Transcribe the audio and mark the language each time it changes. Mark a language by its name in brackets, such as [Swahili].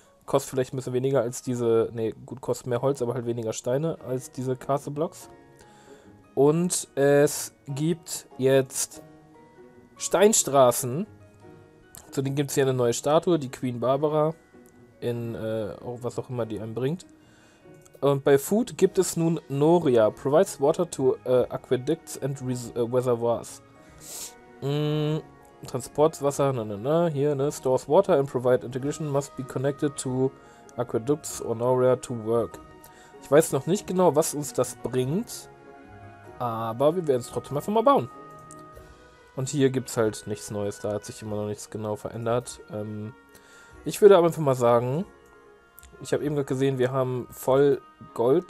[German] Kostet vielleicht ein bisschen weniger als diese... Ne, gut, kostet mehr Holz, aber halt weniger Steine als diese Castle Blocks. Und es gibt jetzt Steinstraßen. Zu denen gibt es hier eine neue Statue, die Queen Barbara. In was auch immer die einem bringt. Und bei Food gibt es nun Noria. [English] Provides water to aqueducts and reservoirs. [German] Transportwasser, hier, ne? [English] Stores water and provide integration must be connected to aqueducts or Noria to work. [German] Ich weiß noch nicht genau, was uns das bringt. Aber wir werden es trotzdem einfach mal bauen. Und hier gibt es halt nichts Neues. Da hat sich immer noch nichts genau verändert. Ich würde aber einfach mal sagen, ich habe eben gerade gesehen, wir haben voll Gold.